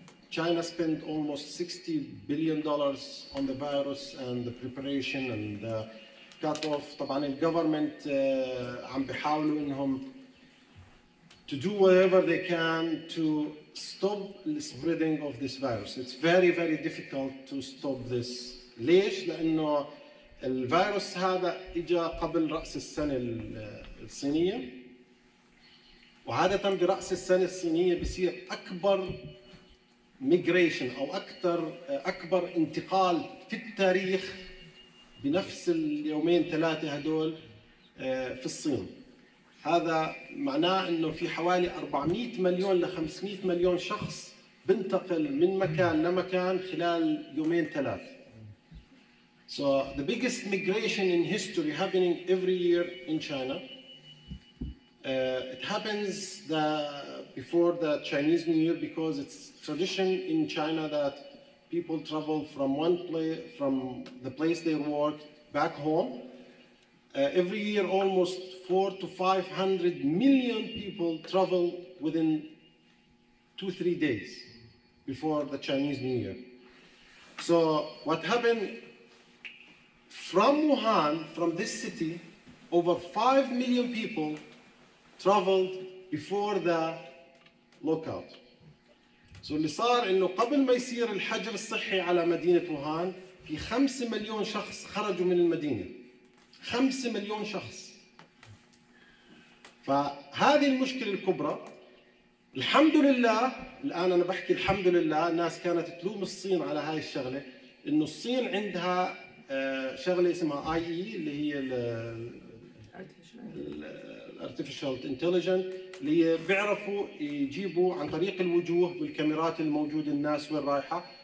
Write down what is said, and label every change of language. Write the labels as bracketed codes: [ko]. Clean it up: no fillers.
[en] China spent almost 60 billion dollars on the virus and the preparation and the cut-off. [ar] طبعاً الجوفرمنت عم بحاولوا إنهم [en] to do whatever they can to stop the spreading of this virus. It's very very difficult to stop this. [ar] ليش؟ لأنه الفيروس هذا إجا قبل رأس السنة الصينية، وعادة برأس السنة الصينية بيصير أكبر migration أو أكبر انتقال في التاريخ بنفس اليومين ثلاثة هدول في الصين. هذا معناه إنه في حوالي 400 مليون ل 500 مليون شخص بنتقل من مكان لمكان خلال يومين ثلاثة. [en] So the biggest migration in history happening every year in China. It happens before the Chinese New Year because it's tradition in China that people travel from one place, from the place they work back home. Every year almost 400 to 500 million people travel within 2-3 days before the Chinese New Year. So what happened from Wuhan, from this city, over 5 million people traveled before the lockout. [ar] So اللي صار إنه قبل ما يصير الحجر الصحي على مدينة ووهان، في 5 مليون شخص خرجوا من المدينة. 5 مليون شخص. فهذه المشكلة الكبرى. الحمد لله، الآن أنا بحكي الحمد لله، الناس كانت تلوم الصين على هاي الشغلة، إنه الصين عندها شغلة اسمها IE اللي هي Artificial Intelligence، اللي بيعرفوا يجيبوا عن طريق الوجوه والكاميرات الموجودة الناس وين رايحة.